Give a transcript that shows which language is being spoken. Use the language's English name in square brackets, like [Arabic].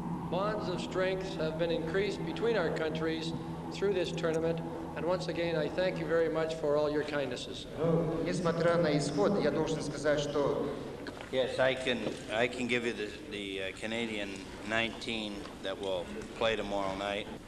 [English] Bonds of strength have been increased between our countries through this tournament, and once again, I thank you very much for all your kindnesses. [Russian] Несмотря на исход, я должен сказать, что... [English] Yes, I can give you the Canadian 19 that will play tomorrow night.